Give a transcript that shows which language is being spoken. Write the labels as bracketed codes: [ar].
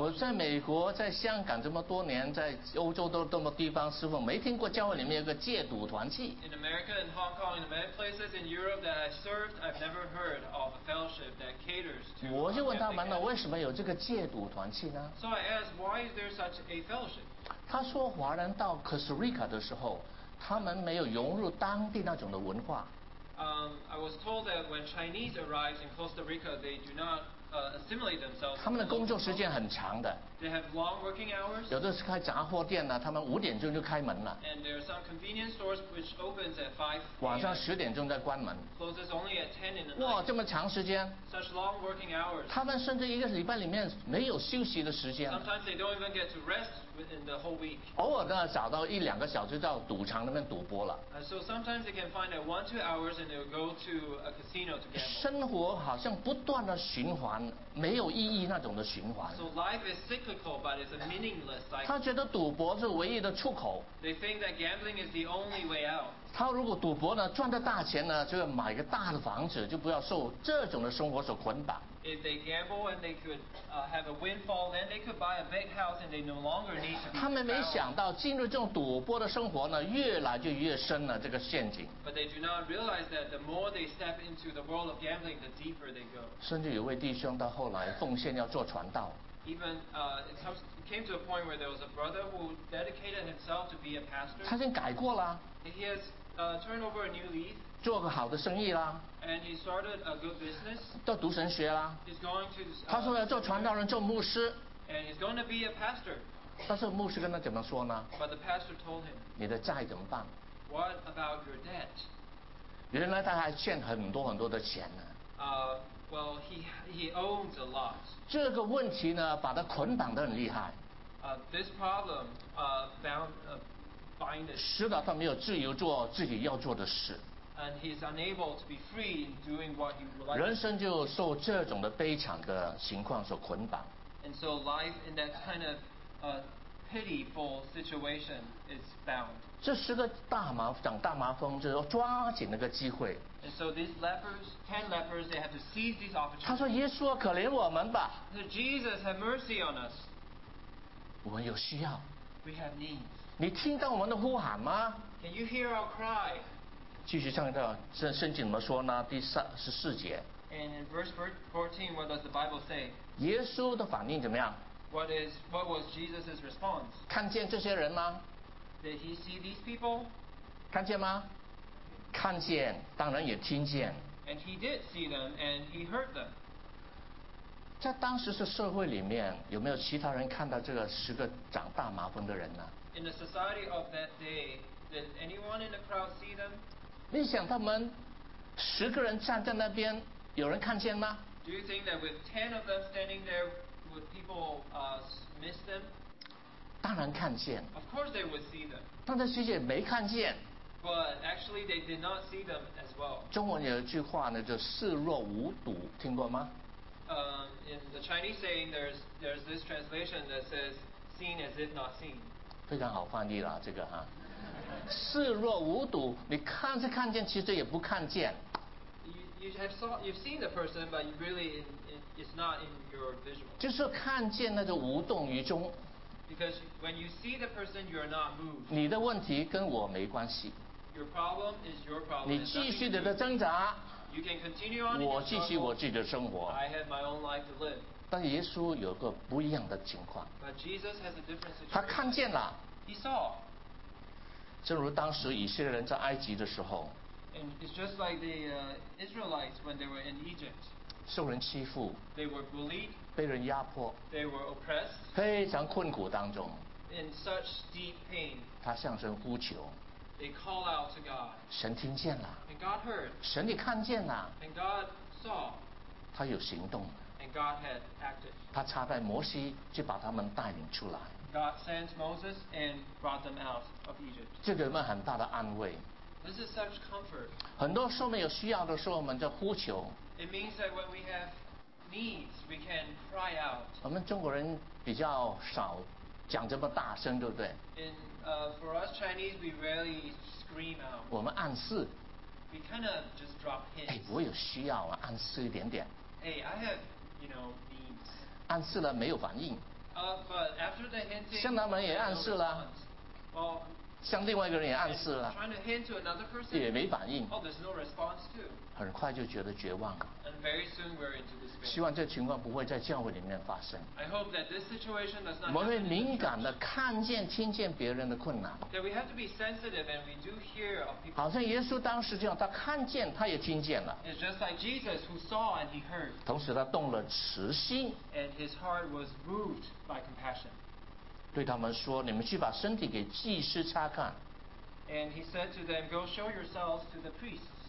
[zh] 我在美国，在香港这么多年，在欧洲都这么地方侍奉，没听过教会里面有个戒赌团契。 [en] In America, in Hong Kong, in the many places in Europe that I served, I've never heard of a fellowship that caters to. [zh] 我就问他们了，为什么有这个戒赌团契呢 [en] ？So I asked, why is there such a fellowship? [zh] 他说，华人到 Costa Rica 的时候，他们没有融入当地那种的文化。 [en] I was told that when Chinese arrive in Costa Rica, they do not. Assimilate themselves. [zh] 他们的工作时间很长的。 [en] They have long working hours. [zh] 有的是开杂货店呢，他们五点钟就开门了。 [en] And there are some convenience stores which opens at 5 a.m. [zh] 晚上十点钟再关门。 [en] Closes only at 10 in the night. [zh] 哇，这么长时间。 [en] Such long working hours. [zh] 他们甚至一个礼拜里面没有休息的时间。 [en] Sometimes they don't even get to rest within the whole week. [zh] 偶尔呢，找到一两个小时到赌场那边赌博了。 [en] So sometimes they can find that 1-2 hours and they'll go to a casino to gamble. [zh] 生活好像不断的循环。没有意义那种的循环。 [en] So life is cyclical, but it's a meaningless cycle. [zh] 他觉得赌博是唯一的出口。 [en] They think that gambling is the only way out. [zh] 他如果赌博呢，赚的大钱呢，就要买个大的房子，就不要受这种的生活所捆绑。 [en] If they gamble and they could have a windfall, then they could buy a big house and they no longer need to. [zh] 他们没想到进入这种赌博的生活呢，越来就越深了这个陷阱。 [en] But they do not realize that the more they step into the world of gambling, the deeper they go. [zh] 甚至有位弟兄到后来奉献要做传道。 [en] Even it came to a point where there was a brother who dedicated himself to be a pastor. [zh] 他已经改过了。 [en] He has turned over a new leaf. [zh] 做个好的生意啦。 [en] And he started a good business. [zh] 到读神学啦。 [en] He's going to. [zh] 他说要做传道人，做牧师。 [en] And he's going to be a pastor. [zh] 但是牧师跟他怎么说呢 [en] ？But the pastor told him. [zh] 你的债怎么办 [en] ？What about your debt? [zh] 原来他还欠很多很多的钱呢。 [en] Well, he owns a lot. [zh] 这个问题呢，把他捆绑得很厉害。 [en] This problem bound it. [zh] 使得他没有自由做自己要做的事。 [en] And he's unable to be free in doing what he would like. [zh] 人生就受这种的悲惨的情况所捆绑。 [en] And so life in that kind of pitiful situation is bound. [zh] 这十个大麻长大麻风，就是说抓紧那个机会。 [en] And so these lepers, 10 lepers, they have to seize these opportunities. [zh] 他说：“耶稣，可怜我们吧。” [en] So Jesus, have mercy on us. [zh] 我们有需要。 [en] We have needs. [zh] 你听到我们的呼喊吗 [en] ？Can you hear our cry? [zh] 继续唱到圣经怎么说呢？第14节。 [en] And in verse 14, what does the Bible say? [zh] 耶稣的反应怎么样 [en] ？What was Jesus's response? [zh] 看见这些人吗 [en] ？Did he see these people? [zh] 看见吗？看见，当然也听见。 [en] And he did see them, and he heard them. [zh] 在当时的社会里面，有没有其他人看到这个十个长大麻风的人呢 [en] ？In the society of that day, did anyone in the crowd see them? [zh] 你想他们十个人站在那边，有人看见吗 [en] ？Do you think that with 10 of them standing there, would people miss them? [zh] 当然看见。 [en] Of course they would see them. [zh] 但这十个人没看见。 [en] But actually, they did not see them as well. [zh] 中文有一句话呢，就视若无睹，听过吗 [en] ？In the Chinese saying, there's this translation that says, "seen as if not seen." [zh] 非常好翻译了这个哈，视若无睹，你看是看见，其实也不看见。 [en] You've seen the person, but you really it's not in your visual. [zh] 就是看见那就无动于衷。 [en] Because when you see the person, you're not moved. [zh] 你的问题跟我没关系。 [en] Your problem is your problem. [zh] 你继续的挣扎。 [en] You can continue on. [zh] 我继续我自己的生活。 [en] I have my own life to live. [zh] 但耶稣有个不一样的情况。 [en] But Jesus has a different situation. [zh] 他看见了。 [en] He saw. [zh] 正如当时以色列人在埃及的时候。 [en] And it's just like the Israelites when they were in Egypt. [zh] 受人欺负。 [en] They were bullied. [zh] 被人压迫。 [en] They were oppressed. [zh] 非常困苦当中。 [en] In such deep pain. [zh] 他向神呼求。 [en] They call out to God. [zh] 神听见了。 [en] And God heard. [zh] 神也看见了。 [en] And God saw. [zh] 他有行动。 [en] And God had acted. [zh] 他差派摩西去把他们带领出来。 [en] God sent Moses and brought them out of Egypt. [zh] 这给我们很大的安慰。 [en] This is such comfort. [zh] 很多时候我们有需要的时候，我们就呼求。 [en] It means that when we have needs, we can cry out. [zh] 我们中国人比较少讲这么大声，对不对？ [en] For us Chinese, we rarely scream out. [zh] 我们暗示。 [en] We kind of just drop hints. [zh] 哎，我有需要啊，暗示一点点。 [en] Hey, I have, you know, needs. [zh] 暗示了没有反应。 [en] But after the hinting, [zh] 向他们也暗示了。 [en] Well, [zh] 向另外一个人也暗示了 [en] trying to hint to another person, [zh] 也没反应、 [en] oh, there's no response too. [zh] 很快就觉得绝望了 [en] And very soon we're into despair. [zh] 希望这情况不会在教会里面发生 [en] I hope that this situation does not happen [zh] 我们会敏感地看见听见别人的困难 [en] that we have to be sensitive and we do hear of people. [zh] 好像耶稣当时这样他看见他也听见了 [en] It's just like Jesus who saw and he heard. [zh] 同时他动了慈心 [en] and his heart was moved by compassion. [zh] 对他们说你们去把身体给祭司查看 [en] and he said to them go show yourselves to the priests